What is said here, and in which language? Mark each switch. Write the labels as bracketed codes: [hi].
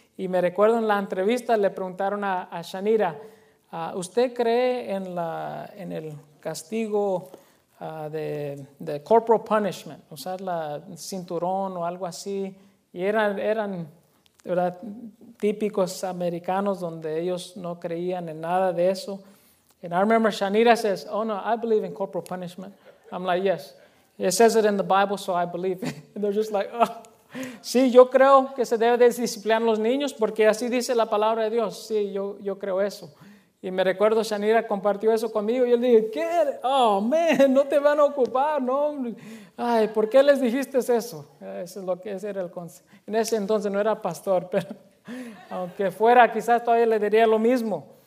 [es] Y me recuerdo en la entrevista le preguntaron a Shanira, ¿usted cree en el castigo de [en] corporal punishment, [es] usar la cinturón o algo así? Y eran ¿verdad? Típicos americanos donde ellos no creían en nada de eso. [en] And I remember Shanira says, oh no, I believe in corporal punishment. I'm like, yes. It says it in the Bible, so I believe it. And they're just like, oh. [es] Sí, yo creo que se debe disciplinar a los niños porque así dice la palabra de Dios. Sí, yo creo eso. Y me recuerdo, Shanira compartió eso conmigo. Y yo le dije, ¿qué? [en] Oh, man, [es] no te van a ocupar, no. Ay, ¿por qué les dijiste eso? Eso es lo que era el consejo. En ese entonces no era pastor, pero aunque fuera, quizás todavía le diría lo mismo.